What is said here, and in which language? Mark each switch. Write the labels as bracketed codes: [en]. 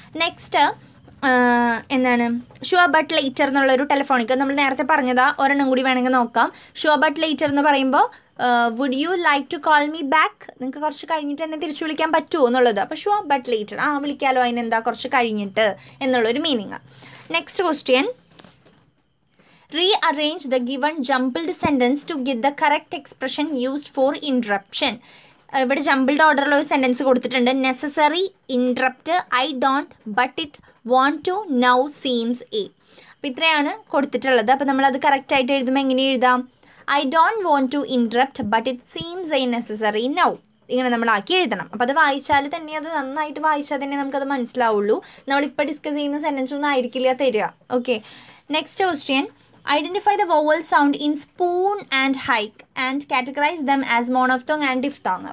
[ml] Next എന്താണ്, sure but later എന്നുള്ളൊരു ടെലിഫോണിക്ക് നമ്മൾ നേരത്തെ പറഞ്ഞതാ, ഒരെണ്ണം കൂടി വേണമെങ്കിൽ നോക്കാം. ഷുവർ ബട്ട് ലേറ്റർ എന്ന് പറയുമ്പോൾ [en] would you like to call me back, [ml] നിങ്ങൾക്ക് കുറച്ച് കഴിഞ്ഞിട്ട് തന്നെ തിരിച്ചു വിളിക്കാൻ പറ്റുമോ എന്നുള്ളത്. അപ്പോൾ ഷുവർ ബട്ട് ലേറ്റർ, ആ വിളിക്കാമല്ലോ അതിനെന്താ കുറച്ച് കഴിഞ്ഞിട്ട് എന്നുള്ളൊരു meaning. Next question, [en] Rearrange the given jumbled sentence to get the correct expression used for interruption. [ml] ഇവിടെ ജംബിൾഡ് ഓർഡറിൽ ഒരു സെൻറ്റൻസ് കൊടുത്തിട്ടുണ്ട്. [en] Necessary interrupt I don't but it want to now seems a. [ml] അപ്പം ഇത്രയാണ് കൊടുത്തിട്ടുള്ളത്. അപ്പം നമ്മളത് കറക്റ്റായിട്ട് എഴുതുമ്പോൾ എങ്ങനെ എഴുതാം? [en] I don't want to interrupt but it seems a necessary now. [ml] ഇങ്ങനെ നമ്മളാക്കി എഴുതണം. അപ്പോൾ അത് വായിച്ചാൽ തന്നെ, അത് നന്നായിട്ട് വായിച്ചാൽ തന്നെ നമുക്കത് മനസ്സിലാവുള്ളൂ. നമ്മളിപ്പോൾ ഡിസ്കസ് ചെയ്യുന്ന സെൻറ്റൻസ് ഒന്നും ആയിരിക്കില്ല തരിക. [en] Okay, next question. Identify the vowel sound in spoon and hike and categorize them as monophthong and diphthong.